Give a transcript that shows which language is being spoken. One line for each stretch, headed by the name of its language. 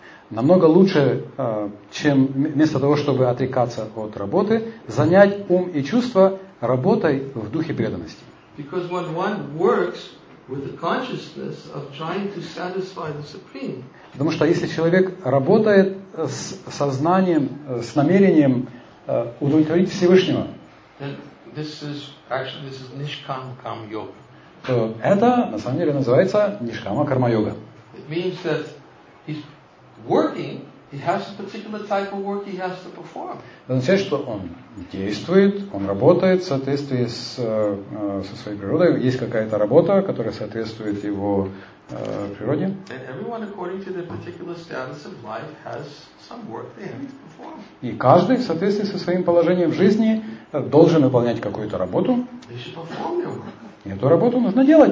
Russian: Намного лучше, чем вместо того, чтобы отрекаться от работы, занять ум и чувства работой в духе преданности.
English: Because when one works with the consciousness of trying to satisfy the Supreme.
Russian: Потому что если человек работает с сознанием, с намерением удовлетворить Всевышнего. То это на самом деле называется нишкама карма йога.
English: It means that he's working. He has a particular type of work he has to perform.
Russian: Это означает, что он действует, он работает в соответствии с со своей природой. Есть какая-то работа, которая соответствует его природе.
English: And everyone according to their particular status of life has some work they have to perform.
Russian: И каждый в соответствии со своим положением в жизни должен выполнять какую-то работу.
English: They should perform their work.
Russian: И эту работу нужно делать.